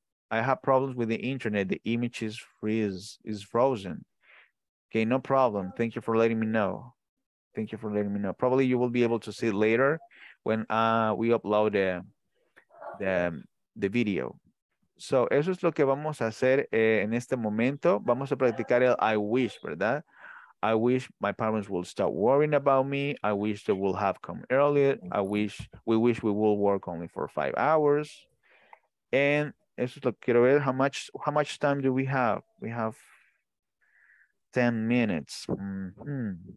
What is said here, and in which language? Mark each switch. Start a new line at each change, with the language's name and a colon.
English: I have problems with the internet. The image is frozen. Okay, no problem. Thank you for letting me know. Thank you for letting me know. Probably you will be able to see it later when we upload the video.
Spanish: So, eso es lo que vamos a hacer en este momento. Vamos a practicar el I wish, ¿verdad?
English: I wish my parents will stop worrying about me. I wish they will have come earlier. We wish we will work only for 5 hours. And
Spanish: eso es lo que quiero ver.
English: How much time do we have? We have 10 minutes. Mm-hmm.